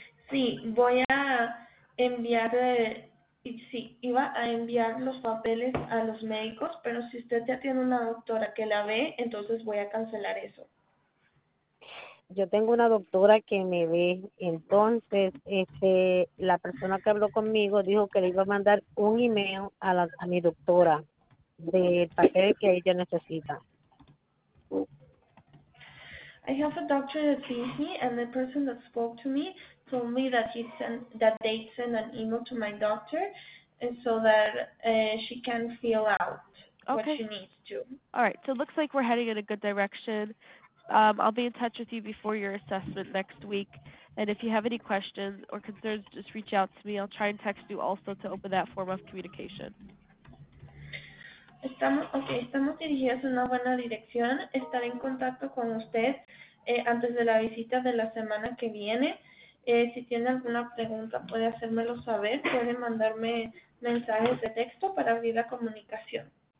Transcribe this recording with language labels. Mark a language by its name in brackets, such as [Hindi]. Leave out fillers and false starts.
[Spanish] Sí, voy a enviar, sí, iba a enviar los papeles a los médicos, pero si usted ya tiene una doctora que la ve, entonces voy a cancelar eso. yo tengo una doctora que me ve, entonces la persona que habló conmigo dijo que le iba a mandar un email a mi doctora del papel que ella necesita. [English] I have a doctor that sees me, and the person that spoke to me told me that that they send an email to my doctor, and so that she can fill out what Okay. she needs to. All right, so it looks like we're heading in a good direction. I'll be in touch with you before your assessment next week. And if you have any questions or concerns, just reach out to me. I'll try and text you also to open that form of communication. [Spanish] Estamos dirigidos en una buena dirección. Estaré en contacto con usted antes de la visita de la semana que viene. Si tiene alguna pregunta, puede hacérmelo saber. Puede mandarme mensajes de texto para abrir la comunicación.